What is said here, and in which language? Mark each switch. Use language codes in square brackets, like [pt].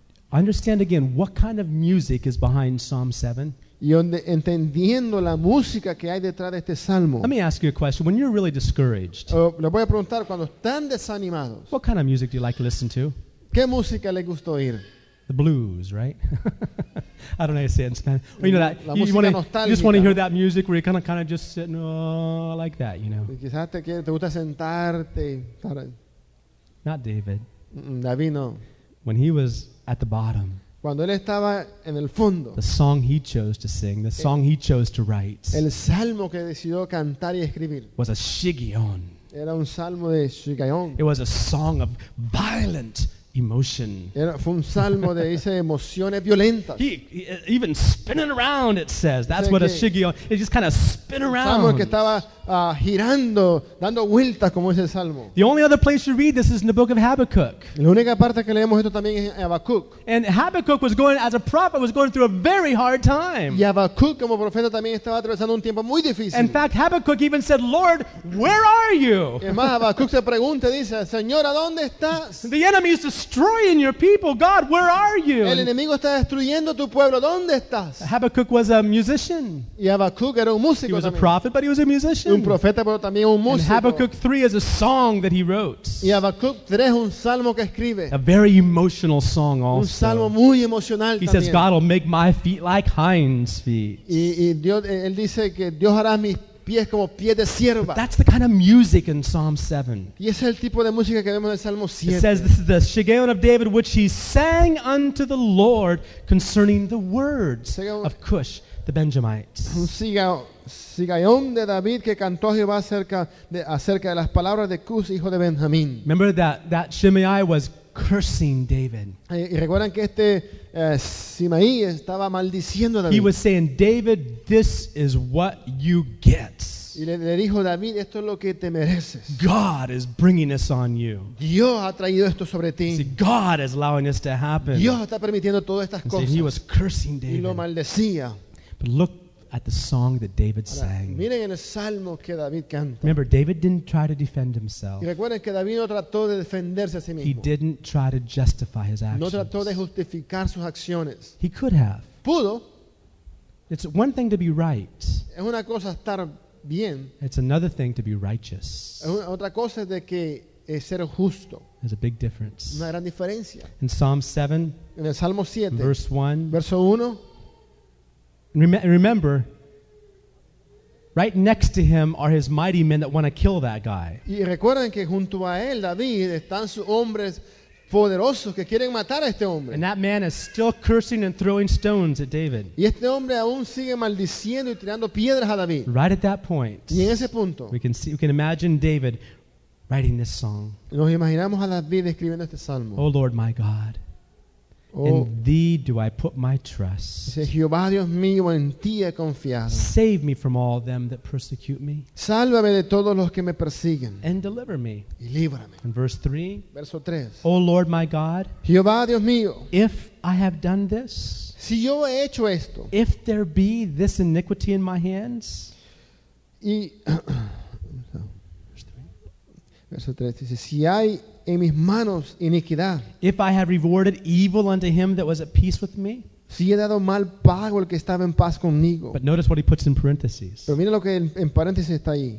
[en] Understand again what kind of music is behind Psalm 7. [es] Y entendiendo la música que hay detrás de este Salmo. [en] Let me ask you a question. When you're really discouraged, [es] le voy a preguntar, cuando están desanimados, [en] what kind of music do you like to listen to? [es] ¿Qué música le gusta oír? [en] The blues, right? I don't know how to say it in Spanish. Well, you know that. [es] La música nostálgica. [en] You just want to hear that music where you're kind of just sitting, oh, like that, you know. [es] Quizás te gusta sentarte. [en] Not David. [es] David, no. [en] When he was at the bottom. [es] Cuando él estaba en el fondo. [en] The song he chose to sing, the song he chose to write. [es] El salmo que decidió cantar y escribir. [en] Was a shigion. [es] Era un salmo de shigion. [en] It was a song of violent emotion. Fue un salmo de esas emociones violentas. He even spinning around, it says. That's what a shigion. It just kind of spin around. [es] Salmo que estaba girando, dando vueltas, como ese salmo. [en] The only other place you read this is in the book of Habakkuk. [es] La única parte que leemos esto también es Habacuc. [en] And Habakkuk was going, as a prophet, was going through a very hard time. [es] Y Habacuc como profeta también estaba atravesando un tiempo muy difícil. [en] In fact, Habakkuk even said, "Lord, where are you?" [es] Además, Habacuc se pregunta, dice, "Señor, ¿a dónde estás?" [en] The enemy is destroying your people. God, where are you? [es] El enemigo está destruyendo tu pueblo. ¿Dónde estás? [en] Habakkuk was a musician. [es] Y Habacuc era un músico. [en] He was [es] también [en] a prophet, but he was a musician. [es] Un profeta, pero también un músico. [en] And Habakkuk 3 is a song that he wrote. [es] Y Habakkuk 3 es un salmo que escribe. [en] A very emotional song also. [es] Un salmo muy emocional [en] he [es] también. [en] Says, God will make my feet like hinds' feet. [es] Y Dios, él dice que Dios hará mis pies como pies de sierva. [en] But that's the kind of music in Psalm 7. [es] Y ese es el tipo de música que vemos en el Salmo 7. [en] It says, this is the shigeon of David, which he sang unto the Lord concerning the words of Cush the Benjamite. [es] Sigayón de David que cantó Jehová acerca de las palabras de Cus, hijo de Benjamín. [en] Remember that Shimei was cursing David. [es] Y recuerdan que este Shimei estaba maldiciendo a David. [en] He was saying, David, this is what you get. [es] Y le dijo, David, esto es lo que te mereces. [en] God is bringing this on you. [es] Dios ha traído esto sobre ti. [en] See, God is allowing this to happen. [es] Dios está permitiendo todas estas [en] and [es] cosas. [en] See, he was cursing David. [es] Y lo maldecía. [en] But look at the song that David sang. [es] Miren el salmo que David canta. [en] Remember, David didn't try to defend himself. [es] Y recuerden que David no trató de defenderse a sí mismo. [en] He didn't try to justify his actions. [es] No trató de justificar sus acciones. [en] He could have. [es] Pudo. [en] It's one thing to be right. [es] Es una cosa estar bien. [en] It's another thing to be righteous. [es] Es otra cosa de que es ser justo. [en] There's a big difference. [es] Una gran diferencia. [en] In Psalm 7, [es] en el Salmo 7, [en] verse 1, remember, right next to him are his mighty men that want to kill that guy. [es] Y recuerden que junto a él, David, están sus hombres poderosos que quieren matar a este hombre. [en] And that man is still cursing and throwing stones at David. [es] Y este hombre aún sigue maldiciendo y tirando piedras a David. [en] Right at that point. [es] Y en ese punto. [en] We can imagine David writing this song. [es] Nos imaginamos a David escribiendo este salmo. [en] Oh Lord my God. Oh, in thee do I put my trust. [es] Dice, Jehová Dios mío, en ti he confiado. [en] Save me from all them that persecute me. [es] Sálvame de todos los que me persiguen. [en] And deliver me. [es] Y líbrame. [en] In verse 3. [es] Verso 3. [en] Oh Lord my God. [es] Jehová Dios mío. [en] If I have done this. [es] Si yo he hecho esto. [en] If there be this iniquity in my hands. [es] Y verso 3 dice, si hay en mis manos iniquidad. [en] If I have rewarded evil unto him that was at peace with me. [es] Si he dado mal pago al que estaba en paz conmigo. [en] But notice what he puts in parentheses. [es] Pero mira lo que en paréntesis está ahí.